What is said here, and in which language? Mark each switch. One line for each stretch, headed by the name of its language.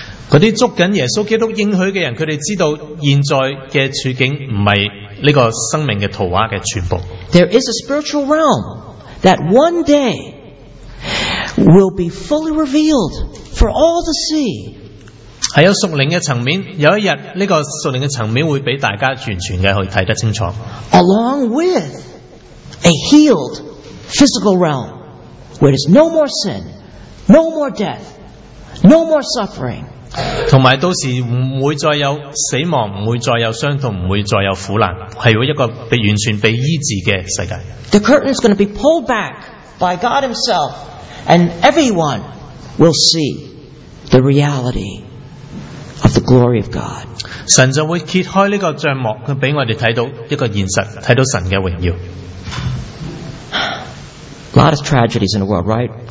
Chinese: 那些捉紧耶稣基督应许的人，他们知道现在的处境不是这个生命的图画的全部。
English: There is a spiritual realm. That one day will be fully revealed for all to see.
Chinese: 在有属灵的层面，有一天这个属灵的层面会被大家完全的去看得清楚。
English: Along with a healed physical realm where there's no more sin, no more death, no more suffering.
Chinese: 同埋到时不会再有死亡，不会再有伤痛，不会再有苦难，是一个被完全被医治的世界。
English: The curtain is going to be pulled back by God Himself, and everyone will see the reality of the glory of God.
Chinese: 神就会揭开这个帐幕，去给我们看到一个现实，看到神的荣耀。
English: A lot of tragedies in the world, right?